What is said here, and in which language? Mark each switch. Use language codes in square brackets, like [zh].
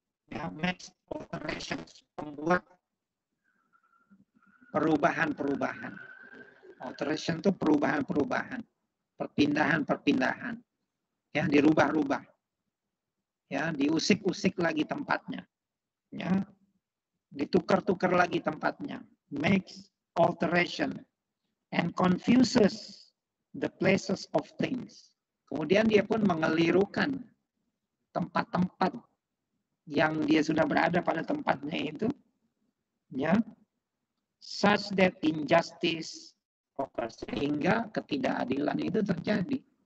[ms] Ya, [en] makes alterations, [ms] membuat perubahan-perubahan. Alteration itu perubahan-perubahan, perpindahan-perpindahan. Ya, dirubah-rubah. Ya, diusik-usik lagi tempatnya. Ya. Ditukar-tukar lagi tempatnya. [en] Makes alteration and confuses the places of things. [ms] Kemudian dia pun mengelirukan tempat-tempat yang dia sudah berada pada tempatnya itu, ya, [en] such that injustice occurs, [ms] sehingga ketidakadilan itu terjadi.